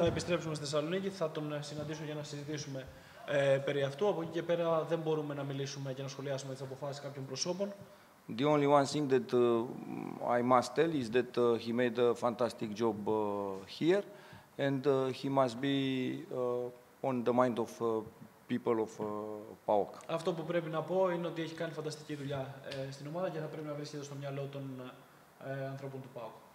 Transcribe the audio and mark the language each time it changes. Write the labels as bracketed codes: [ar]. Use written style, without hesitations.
[el] Θα επιστρέψουμε στη Θεσσαλονίκη, θα τον συναντήσω για να συζητήσουμε περί αυτού. Από εκεί και πέρα δεν μπορούμε να μιλήσουμε και να σχολιάσουμε τις αποφάσεις κάποιων προσώπων. [en] The only one thing that I must tell is that he made a fantastic job here and he must be on the mind of people of PAOK. [el] Αυτό που πρέπει να πω είναι ότι έχει κάνει φανταστική δουλειά στην ομάδα και θα πρέπει να βρίσκεται στο μυαλό των ανθρώπων του PAOK.